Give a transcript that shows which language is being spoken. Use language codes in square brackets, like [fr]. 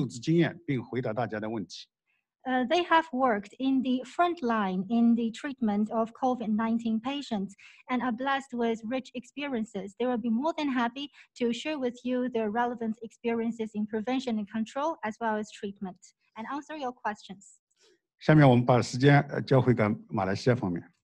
[zh] 他们愿意与马来西亚同行分享上海应对新冠肺炎疫情的防控和救治经验，并回答大家的问题。 [en] They have worked in the front line in the treatment of COVID-19 patients and are blessed with rich experiences. They will be more than happy to share with you their relevant experiences in prevention and control as well as treatment and answer your questions. [zh] 下面我们把时间交回给马来西亚方面。